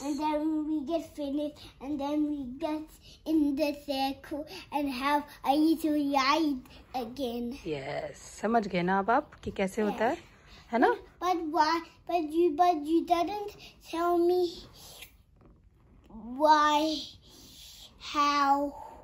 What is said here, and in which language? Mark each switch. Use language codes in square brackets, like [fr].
[en] And then we get finished and then we get in the circle and have a little ride again. Yes. [hi] समझ गए ना आप कि कैसे होता है, है ना? [en] But you didn't tell me why, how.